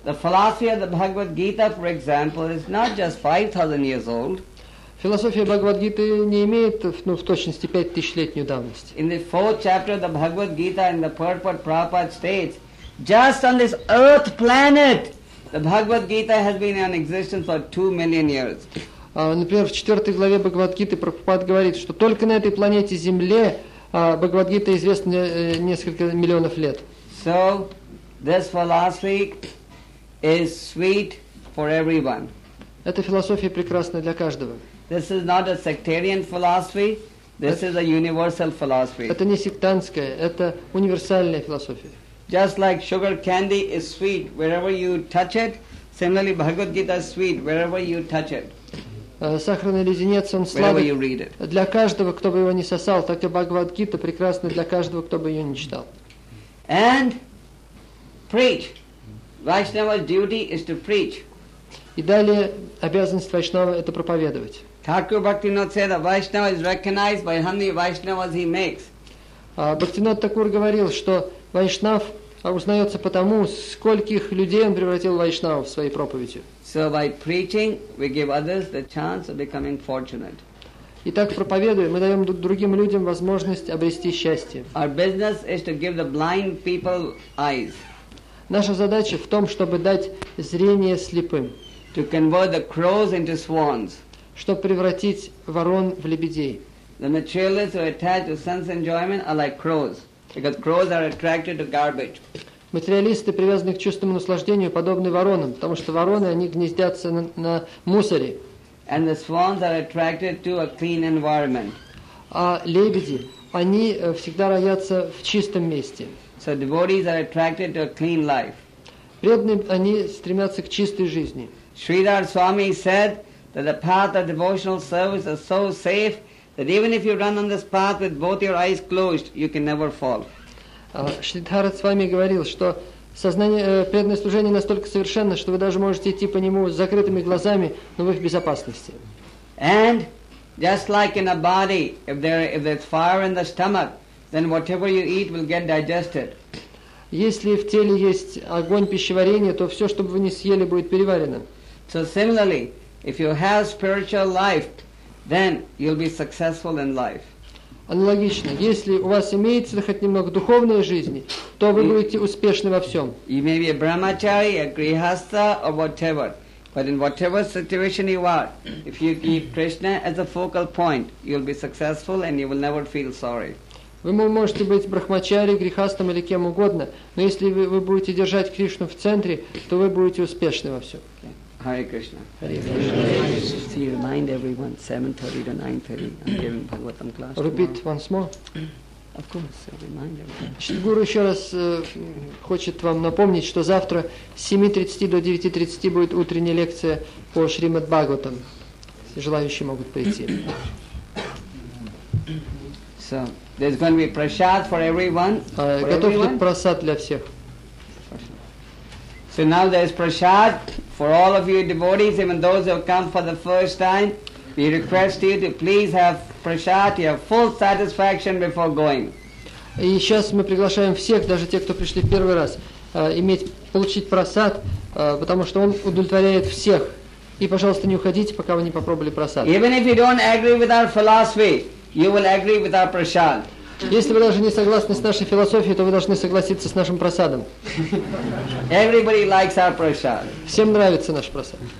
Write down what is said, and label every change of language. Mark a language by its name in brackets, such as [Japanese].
[English] The philosophy of the Bhagavad Gita, for example, is not just 5,000 years old. [Russian] Философия Бхагавад-гиты не имеет, в точности, 5000-летнюю давность. [English] In the fourth chapter of the Bhagavad Gita, in the purport, Prabhupada states, just on this earth planet, the Bhagavad Gita has been in existence for 2 million years. [Russian] Например, в 4 главе Бхагавад-гиты Прабхупад говорит, что только на этой планете Земле Бхагавад-гита известна несколько миллионов лет. [English] So, this philosophy is sweet for everyone. [Russian] Эта философия прекрасна для каждого. [English] This is not a sectarian philosophy. This is a universal philosophy. [Russian] Это не сектантская, это универсальная философия. [English] Just like sugar candy is sweet wherever you touch it, similarly Bhagavad Gita is sweet wherever you touch it. [Russian] Сахарный леденец, он сладкий для каждого, кто бы его не сосал, так и Бхагавад Гита прекрасна для каждого, кто бы ее не читал. [English] And preach. Vaishnava's duty is to preach. [Russian] И далее обязанность Вайшнава это проповедовать. [English] Thakur Bhaktivinoda said that Vaishnava is recognized by how many Vaishnavas he makes. [Russian] Бхактинода Такур говорил, что Вайшнав узнается по тому, скольких людей он превратил в вайшнавов в своей проповеди. [English] So by preaching, we give others the chance of becoming fortunate. [Russian] Итак, проповедуя, мы даем другим людям возможность обрести счастье. [English] Our business is to give the blind people eyes. [Russian] Наша задача в том, чтобы дать зрение слепым. [English] To convert the crows into swans. [Russian] Чтобы превратить ворон в лебедей. [English] The materialists who are attached to sense enjoyment are like crows, because crows are attracted to garbage. [Russian] Материалисты, привязанные к чувственному наслаждению, подобны воронам, потому что вороны, они гнездятся на мусоре. [English] And the swans are attracted to a clean environment. [Russian] А лебеди, они всегда роятся в чистом месте. [English] So devotees are attracted to a clean life. [Russian] Преданные, они стремятся к чистой жизни. [English] Sridhar Swami said that the path of devotional service is so safe that even if you run on this path with both your eyes closed, you can never fall. [Russian] Sridhar Swami говорил, что сознание, преданное служение настолько совершенно, что вы даже можете идти по нему с закрытыми глазами, но вы в безопасности. [English] And just like in a body, if there's fire in the stomach, then whatever you eat will get digested. [Russian] Если в теле есть огонь пищеварения, то все, что бы вы ни съели, будет переварено. [English] So similarly, if you have spiritual life, then you'll be successful in life. [Russian] Аналогично, если у вас имеется хоть немного духовной жизни, то вы будете успешны во всем. [English] You may be a brahmachari, a grihastha, or whatever. But in whatever situation you are, if you keep Krishna as a focal point, you'll be successful and you will never feel sorry. [Russian] Вы можете быть брахмачари, грихастом или кем угодно, но если вы будете держать Кришну в центре, то вы будете успешны во всем. [English] Hare Krishna. Hare Krishna. To remind everyone, 7:30 to 9:30, I'm giving Bhagavatam class. Repeat once more. Of course, I'll remind everyone. [Russian] Шри-гуру еще раз хочет вам напомнить, что завтра с 7:30 до 9:30 будет утренняя лекция по Шримад Бхагаватам. Желающие могут прийти. [English] So, there's going to be prasad for everyone. [Russian] Готов ли прасад для всех? [English] So now there is prasad for all of you devotees, even those who have come for the first time. We request you to please have prasad, you have full satisfaction before going. [Russian] И сейчас мы приглашаем всех, даже тех, кто пришли первый раз, получить прасад, потому что он удовлетворяет всех. И, пожалуйста, не уходите, пока вы не попробовали прасад. [English] Even if you don't agree with our philosophy, you will agree with our prasad. [Russian] Если вы даже не согласны с нашей философией, то вы должны согласиться с нашим прасадом. [English] Everybody likes our prasad. [Russian] Всем нравится наш прасад.